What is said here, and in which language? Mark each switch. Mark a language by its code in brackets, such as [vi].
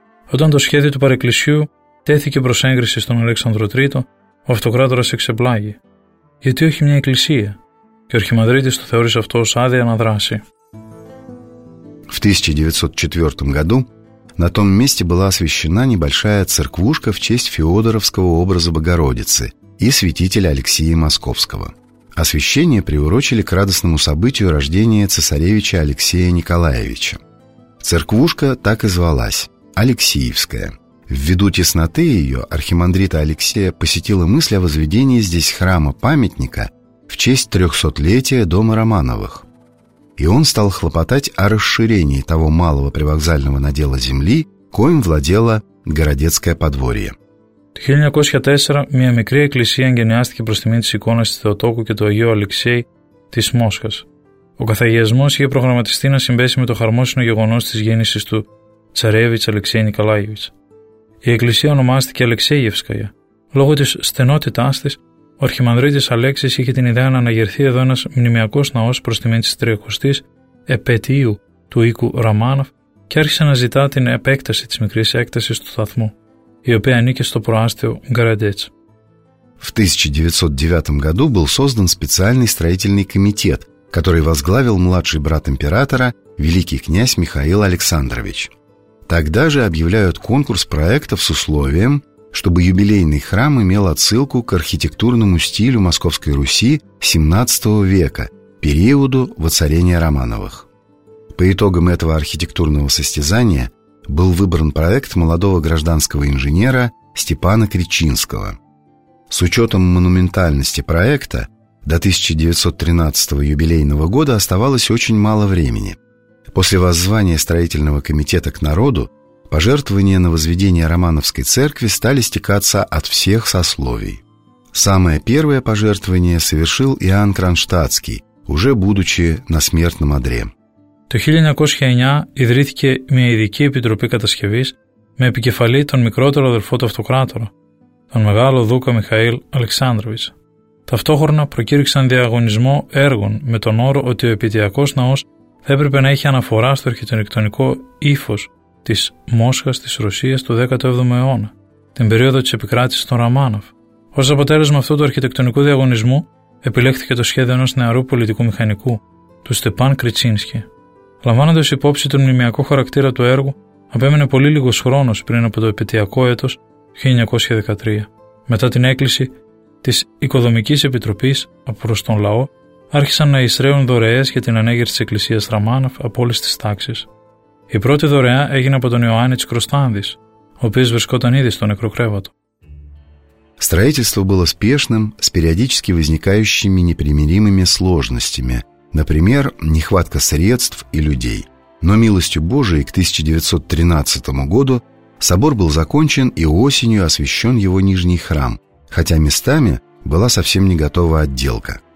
[el] Όταν το σχέδιο του παρεκκλησιού τέθηκε προς έγκριση στον Αλέξανδρο III, ο αυτοκράτορας εξεπλάγει. Γιατί όχι μια εκκλησία? Και ο αρχιμανδρίτης το θεώρησε αυτό ως άδεια να δράσει. [ru] В 1904 году на том месте была освящена небольшая церквушка в честь Феодоровского образа Богородицы и святителя Алексея Московского. Освящение приурочили к радостному событию рождения цесаревича Алексея Николаевича. Церквушка так и звалась – Алексеевская. Ввиду тесноты ее архимандрита Алексея посетила мысль о возведении здесь храма-памятника в честь 300-летия дома Романовых. И он стал хлопотать о расширении того малого привокзального надела земли, коим владело городецкое подворье. [el] Το 1904 μια μικρή εκκλησία εγγενιάστηκε προς τιμή της εικόνας της Θεοτόκου και του Αγίου Αλεξέη της Μόσχας. Ο καθαγιασμός είχε προγραμματιστεί να συμπέσει με το χαρμόσυνο γεγονός της γέννησης του Τσαρέβιτς Αλεξέη Νικολάγεβιτς. Η εκκλησία ονομάστηκε Αλεξέγευσκαια. Λόγω της στενότητάς της, ο αρχιμανδρίτης Αλέξης είχε την ιδέα να αναγερθεί εδώ ένας μνημειακός ναός προς τιμή της 300ης επετείου του οίκου Ραμάνοφ και άρχισε να ζητά την επέκταση της μικρής έκτασης του σταθμού, η οποία ανήκε στο προάστιο Γκραντιέτς. [ru] В 1909 году был создан специальный строительный комитет, который возглавил младший брат императора, великий князь Михаил Александрович. Тогда же объявляют конкурс проектов с условием, чтобы юбилейный храм имел отсылку к архитектурному стилю Московской Руси XVII века, периоду воцарения Романовых. По итогам этого архитектурного состязания был выбран проект молодого гражданского инженера Степана Кричинского. С учетом монументальности проекта, до 1913 юбилейного года оставалось очень мало времени. После воззвания строительного комитета к народу пожертвования на возведение Романовской церкви стали стекаться от всех сословий. Самое первое пожертвование совершил Иоанн Кронштадтский, уже будучи на смертном одре. [el] Το 1909 ιδρύθηκε μια ειδική επιτροπή κατασκευής με επικεφαλή τον μικρότερο αδερφό του αυτοκράτορα, τον μεγάλο Δούκα Μιχαήλ Αλεξάνδροβιτς. Ταυτόχρονα προκήρυξαν διαγωνισμό έργων με τον όρο ότι ο επιτυακός ναός θα έπρεπε να έχει αναφορά στο αρχιτεκτονικό ύφος της Μόσχας της Ρωσίας του 17ου αιώνα, την περίοδο της επικράτησης των Ραμάνοφ. Ως αποτέλεσμα αυτού του αρχιτεκτονικού διαγωνισμού επιλέχθηκε το σχέδιο ενός νεαρού πολιτικού μηχανικού, του Στεπάν Κριτσίνσκι. Λαμβάνοντας υπόψη τον μνημειακό χαρακτήρα του έργου, απέμενε πολύ λίγος χρόνος πριν από το επετειακό έτος 1913. Μετά την έκκληση της Οικοδομικής Επιτροπής προς τον λαό, άρχισαν να εισραίουν δωρεές για την ανέγερση της εκκλησίας Ραμάνοφ από όλες τις τάξεις. Η πρώτη δωρεά έγινε από τον Ιωάννη Τσικροστάνδης, ο οποίος βρισκόταν ήδη στο νεκροκρέβατο. [ru] Строительство было спешным, с периодически возникающими непримиримыми сложностями. Например, нехватка средств и людей. Но милостью Божией к 1913 году собор был закончен и осенью освящен его нижний храм, хотя местами была совсем не готова отделка.